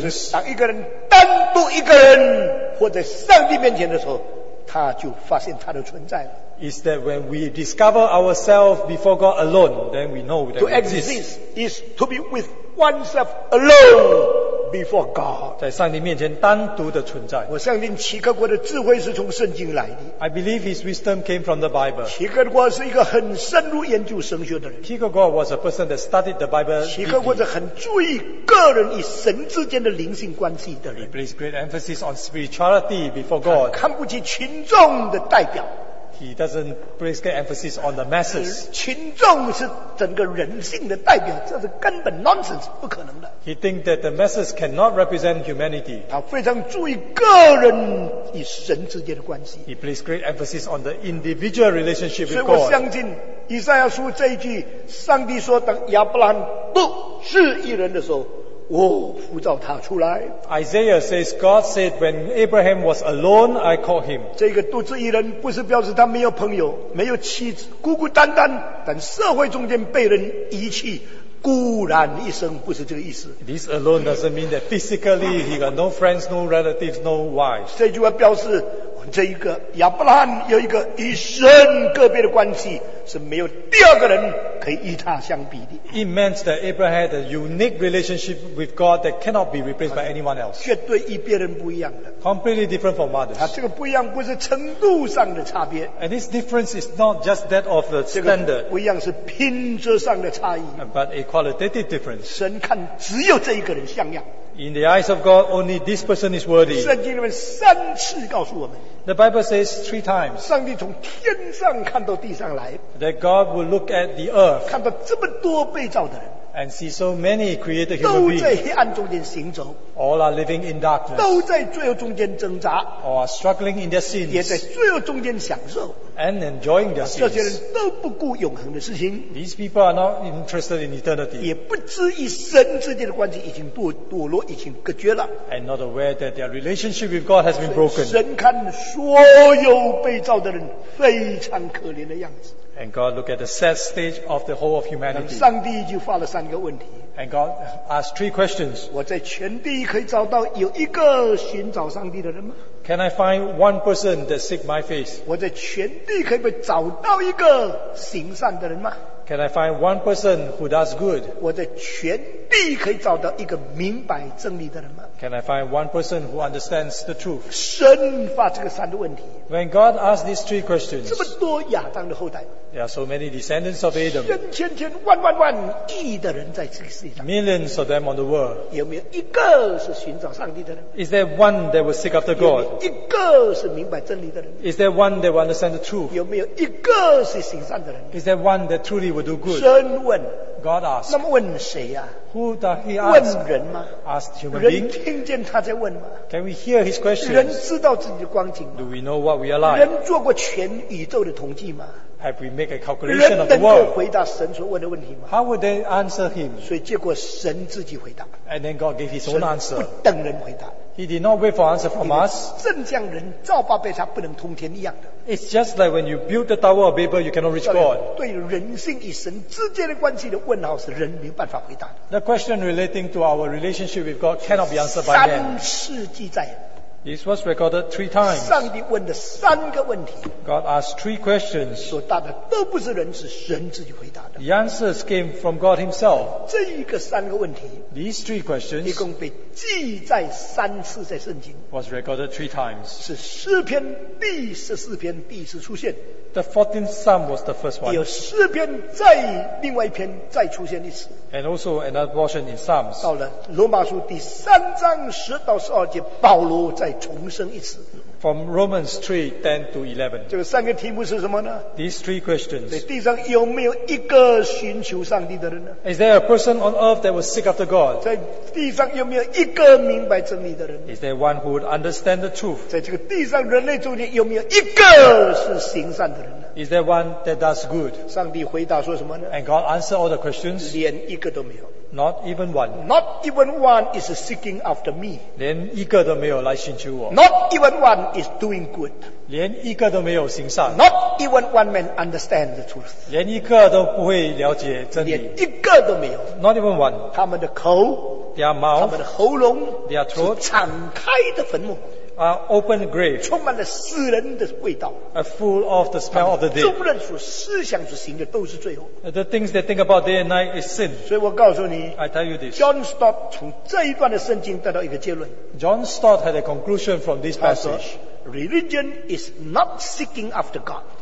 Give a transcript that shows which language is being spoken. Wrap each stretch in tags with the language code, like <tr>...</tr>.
<zh>就是当一个人单独一个人活在上帝面前的时候，他就发现他的存在了。</zh> <en>Is that when we discover ourselves before God alone, then we know that to exist is to be with oneself alone before God.</en> <zh>在上帝面前单独的存在。我相信齐克国的智慧是从圣经来的。</zh> <en>I believe his wisdom came from the Bible.</en> <zh>齐克国是一个很深入研究神学的人。</zh> <en>齐克国 was a person that studied the Bible.</en> <zh>齐克国是很注意个人与神之间的灵性关系的人。</zh> <en>He placed great emphasis on spirituality before God.</en> <zh>看不起群众的代表。</zh> <en>He doesn't place great emphasis on the masses.</en> <zh>群众是整个人性的代表，这是根本 nonsense， 不可能的。</zh> <en>He thinks that the masses cannot represent humanity.</en> <zh>他非常注意个人与神之间的关系。</zh> <en>He places great emphasis on the individual relationship with God.</en> <zh>所以我相信以赛亚书这一句，上帝说，当亚伯兰独自一人的时候。我呼召他出来。</zh> <en>Isaiah says, God said, when Abraham was alone, I called him.</en> <zh>这个独自一人不是表示他没有朋友，没有妻子，孤孤单单，但社会中间被人遗弃，孤然一生，不是这个意思。</zh> <en>This alone doesn't mean that physically he got no friends, no relatives, no wives.</en> <zh>这句话表示这一个亚伯兰有一个与神个别的关系，是没有第二个人可以与他相比的。</zh> <en>It meant that Abraham had a unique relationship with God that cannot be replaced by anyone else.</en> <zh>绝对与别人不一样的。</zh> <en>Completely different from others.</en> <zh>这个不一样不是程度上的差别。</zh> <en>And this difference is not just that of the standard.</en> <zh>这个不一样是品质上的差异。</zh> <en>But a qualitative difference.</en> <zh>神看只有这一个人像样。</zh> <en>In the eyes of God, only this person is worthy.</en> <zh>圣经里面三次告诉我们。</zh> <en>The Bible says three times.</en> <zh>上帝从天上看到地上来。</zh> <en>That God will look at the earth.</en> <zh>看到这么多被造的人。</zh> <en>And see so many created human beings.</en> <zh>都在黑暗中间行走。</zh> <en>All are living in darkness.</en> <zh>都在罪恶中间挣扎。</zh> <en>All are struggling in their sins.</en> <zh>也在罪恶中间享受。</zh> <en>And enjoying their sins.</en> <zh>这些人都不顾永恒的事情。</zh> <en>These people are not interested in eternity.</en> <zh>也不知与神之间的关系已经堕落，已经隔绝了。</zh> <en>And not aware that their relationship with God has been broken.</en> <zh>神看所有被造的人非常可怜的样子。</zh> <en>And God look at the sad stage of the whole of humanity.</en> <zh>上帝就发了三个问题。</zh> <en>And God asked three questions.</en> <zh>我在全地可以找到有一个寻找上帝的人吗？</zh> <en>Can I find one person that seek my face?</en> <zh>我在全地可不可以找到一个行善的人吗？</zh> <en>Can I find one person who does good?</en> <zh>我在全地可以找到一个明白真理的人吗？</zh> <en>Can I find one person who understands the truth?</en> <zh>神发这个三个问题。</zh> <en>When God asked these three questions,</en> <zh>这么多亚当的后代。</zh> <en>There are so many descendants of Adam.</en> <zh>千千千万万万亿的人在这个世界上。</zh> <en>Millions of them on the world.</en> <zh>有没有一个是寻找上帝的人？</zh> <en>Is there one that will seek after God?</en> <zh>有没有一个是明白真理的人？</zh> <en>Is there one that will understand the truth?</en> <zh>有没有一个是行善的人？</zh> <en>Is there one that truly will do good?</en> <zh>神问。</zh> <en>God asked.</en> <zh>那么问谁啊？</zh> <en>Who does he ask?</en> <zh>问人吗？</zh> <en>Ask human being.</en> <zh>人听见他在问吗？</zh> <en>Can we hear his questions?</en> <zh>人知道自己的光景吗？</zh> <en>Do we know what we are like?</en> <zh>人做过全宇宙的统计吗？</zh> <en>Have we made a calculation of the world?</en> <zh>人能够回答神所问的问题吗？</zh> <en>How would they answer him?</en> <zh>所以结果神自己回答。</zh> <en>And then God gave his own answer.</en> <zh>神不等人回答。</zh> <en>He did not wait for answer from us.</en> <zh>正像人造巴别塔不能通天一样的。</zh> <en>It's just like when you build the Tower of Babel, you cannot reach God.</en> <zh>对人性与神之间的关系的问号是人没有办法回答的。</zh> <en>The question relating to our relationship with God cannot be answered by man.</en> <zh>三世记载。</zh> <en>This was recorded three times.</en> <zh>上帝问的三个问题。</zh> <en>God asked three questions.</en> <zh>所答的都不是人，是神自己回答的。</zh> <en>The answers came from God Himself.</en> <zh>这一个三个问题。</zh> <en>These three questions.</en> <zh>一共被记载三次在圣经。</zh> <en>Was recorded three times.</en> <zh>是诗篇第十四篇第一次出现。</zh> <en>The 14th Psalm was the first one.</en> <zh>有诗篇再另外一篇再出现一次。</zh> <en>And also another portion in Psalms.</en> <zh>到了罗马书第三章十到十二节，保罗在。再重生一次。</zh> <en>From Romans 3:10-11.</en> <zh>这个三个题目是什么呢？</zh> <en>These three questions.</en> <zh>在地上有没有一个寻求上帝的人呢？</zh> <en>Is there a person on earth that will seek after God?</en> <zh>在地上有没有一个明白真理的人？</zh> <en>Is there one who would understand the truth?</en> <zh>在这个地上人类中间有没有一个是行善的人呢？</zh> <en>Is there one that does good?</en> <zh>上帝回答说什么呢？</zh> <en>And God answered all the questions.</en> <zh>连一个都没有。</zh> <en>Not even one. Not even one is seeking after me.</en> <zh>连一个都没有来寻求我。</zh> <en>Not even one is doing good.</en> <zh>连一个都没有行善。</zh> <en>Not even one man understand the truth.</en> <zh>连一个都不会了解真理。连一个都没有。</zh> <en>Not even one.</en> <zh>他们的口。</zh> <en>Their mouth.</en> <zh>他们的喉咙。</zh> <en>Their throat.</en> <zh>是敞开的坟墓。</zh> <en>Are open grave.</en> <zh>充满了死人的味道。</zh> <en>Are full of the smell of the dead.</en> <zh>众人所思想所行的都是罪恶。</zh> <en>The things they think about day and night is sin.</en> <zh>所以我告诉你。</zh> <en>I tell you this.</en> <zh>John Stott 从这一段的圣经得到一个结论。</zh> <en>John Stott had a conclusion from this passage. Religion is not seeking after God.</en>